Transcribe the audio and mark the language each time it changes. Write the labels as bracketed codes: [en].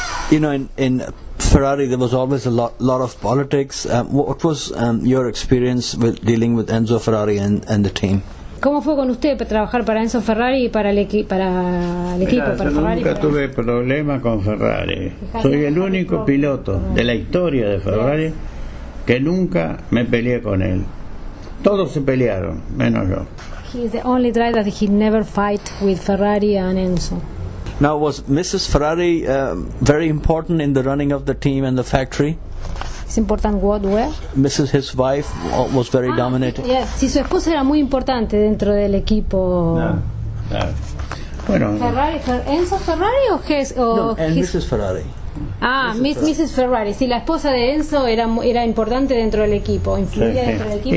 [en] You know, in Ferrari, there was always a lot of politics. What was your experience with dealing with Enzo Ferrari and the team? [es] ¿Cómo fue con usted para trabajar para Enzo Ferrari y para el equipo? Mira, yo nunca tuve problema con Ferrari. Soy el único piloto de la historia de Ferrari que nunca me peleé con él. Todos se pelearon, menos yo. [en] He's the only driver that he never fight with Ferrari and Enzo. Now, was Mrs. Ferrari very important in the running of the team and the factory? It's important what, where? Mrs. His wife was very dominant. Yes, yeah. [es] Si su esposa era muy importante dentro del equipo. No. Bueno. [en] Enzo Ferrari o his? No, and his... Mrs. Ferrari. Mrs. Ferrari. [es] Sí, la esposa de Enzo era importante dentro del equipo, influía dentro del equipo.